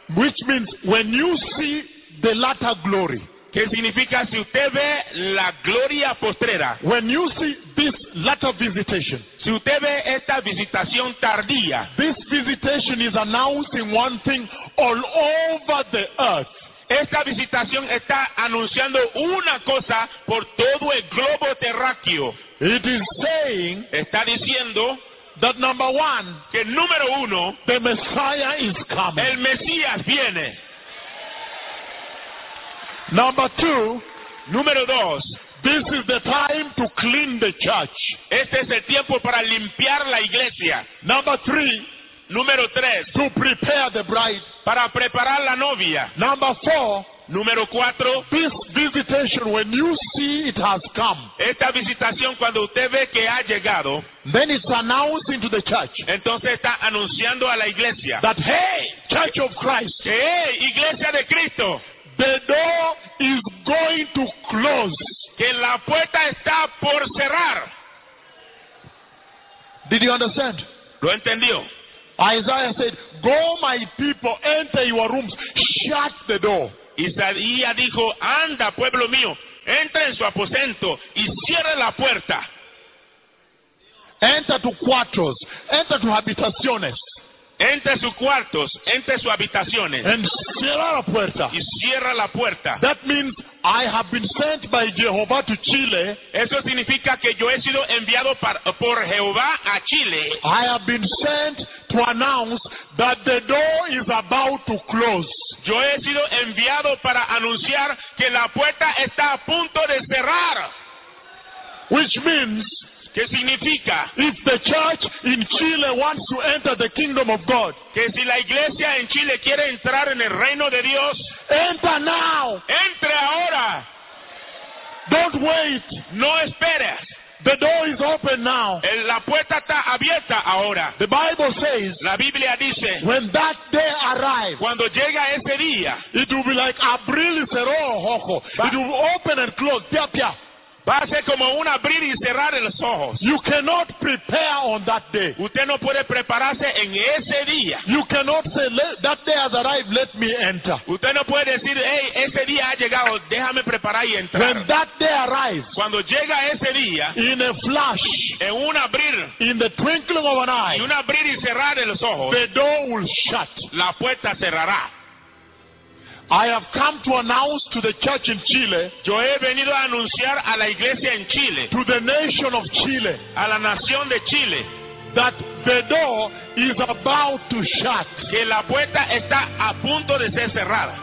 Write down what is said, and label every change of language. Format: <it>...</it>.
<en>Which means, when you see the latter glory,</en> <es>¿qué significa si usted ve la gloria postrera?</es> <en>When you see this latter visitation,</en> <es>si usted ve esta visitación tardía,</es> <en>this visitation is announcing one thing all over the earth.</en> <es>Esta visitación está anunciando una cosa por todo el globo terráqueo.</es> <en>It is saying,</en> <es>está diciendo,</es> <en>that number one,</en> <es>que número uno,</es> <en>the Messiah is coming.</en> <es>El Mesías viene.</es> <en>Number two,</en> <es>número dos,</es> <en>this is the time to clean the church.</en> <es>Este es el tiempo para limpiar la iglesia.</es> <en>Number three,</en> <es>número tres,</es> <en>to prepare the bride.</en> <es>Para preparar la novia.</es> <en>Number four,</en> <es>número cuatro,</es> <en>this visitation, when you see it has come,</en> <es>esta visitación cuando usted ve que ha llegado,</es> <en>then it's announcing to the church,</en> <es>entonces está anunciando a la iglesia,</es> <en>that hey, church of Christ,</en> <es>que, hey, iglesia de Cristo,</es> <en>the door is going to close,</en> <es>que la puerta está por cerrar.</es> <en>Did you understand?</en> <es>Lo entendió.</es> <en>Isaiah said, "Go, my people, enter your rooms, shut the door."</en> <es>Isaías dijo, "Anda, pueblo mío, entra en su aposento y cierre la puerta."</es> <en>Enter to quarters, enter to habitaciones.</en> <es>Entre sus cuartos, entre sus habitaciones. And cierra la puerta. Y cierra la puerta.</es> <en>That means I have been sent by Jehovah to Chile.</en> <es>Eso significa que yo he sido enviado por Jehová a Chile.</es> <en>I have been sent to announce that the door is about to close.</en> <es>Yo he sido enviado para anunciar que la puerta está a punto de cerrar.</es> <en>Which means,</en> <es>¿qué significa?</es> <en>If the church in Chile wants to enter the kingdom of God,</en> <es>que si la iglesia en Chile quiere entrar en el reino de Dios,</es> <en>enter now.</en> <es>Entre ahora.</es> <en>Don't wait.</en> <es>No esperes.</es> <en>The door is open now.</en> <es>La puerta está abierta ahora.</es> <en>The Bible says,</en> <es>la Biblia dice,</es> <en>when that day arrives,</en> <es>cuando llega ese día,</es> <en>it will be like</en> <es>abril y cerró, ojo.</es> <en>It will open and close. Pia, pia.</en> <es>Va a ser como un abrir y cerrar los ojos.</es> <en>You cannot prepare on that day.</en> <es>Usted no puede prepararse en ese día.</es> <en>You cannot say, that day has arrived, let me enter.</en> <es>Usted no puede decir, hey, ese día ha llegado, déjame preparar y entrar.</es> <en>When that day arrives,</en> <es>cuando llega ese día,</es> <en>in a flash,</en> <es>en un abrir,</es> <en>in the twinkling of an eye,</en> <es>en un abrir y cerrar los ojos,</es> <en>the door will shut.</en> <es>La puerta cerrará.</es> <en>I have come to announce to the church in Chile,</en> <es>yo he venido a anunciar a la iglesia en Chile,</es> <en>to the nation of Chile,</en> <es>a la nación de Chile,</es> <en>that the door is about to shut,</en> <es>que la puerta está a punto de ser cerrada.</es>